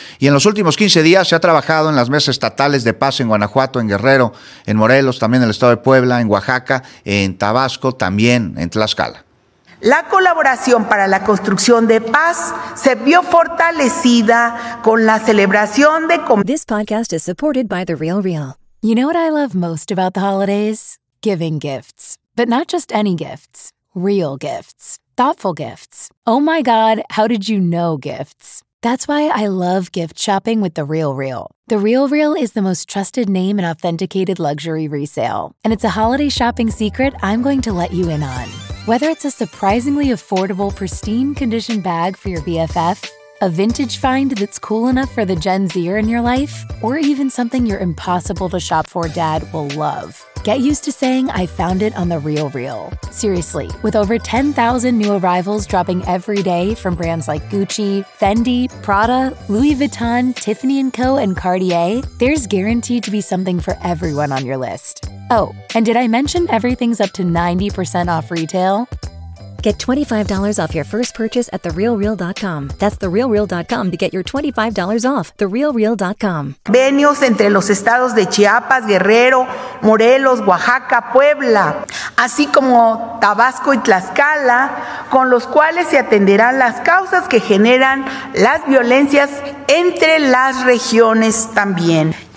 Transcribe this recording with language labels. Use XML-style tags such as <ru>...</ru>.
<es>Y en los últimos 15 días se ha trabajado en las mesas estatales de paz en Guanajuato, en Guerrero, en Morelos, también en el estado de Puebla, en Oaxaca, en Tabasco, también en Tlaxcala. La colaboración para la construcción de paz se vio fortalecida con la celebración de...</es> <en>This podcast is supported by The Real Real. You know what I love most about the holidays? Giving gifts. But not just any gifts, real gifts, thoughtful gifts. Oh my God, how did you know gifts? That's why I love gift shopping with The Real Real. The Real Real is the most trusted name in authenticated luxury resale. And it's a holiday shopping secret I'm going to let you in on. Whether it's a surprisingly affordable, pristine condition bag for your BFF, a vintage find that's cool enough for the Gen Zer in your life, or even something your impossible to shop for dad will love. Get used to saying, I found it on The Real Real. Seriously, with over 10,000 new arrivals dropping every day from brands like Gucci, Fendi, Prada, Louis Vuitton, Tiffany & Co., and Cartier, there's guaranteed to be something for everyone on your list. Oh, and did I mention everything's up to 90% off retail? Get $25 off your first purchase at TheRealReal.com. That's TheRealReal.com to get your $25 off. TheRealReal.com.</en> <es>Venios entre los estados de Chiapas, Guerrero, Morelos, Oaxaca, Puebla, así como Tabasco y Tlaxcala, con los cuales se atenderán las causas que generan las violencias entre las regiones también.</es>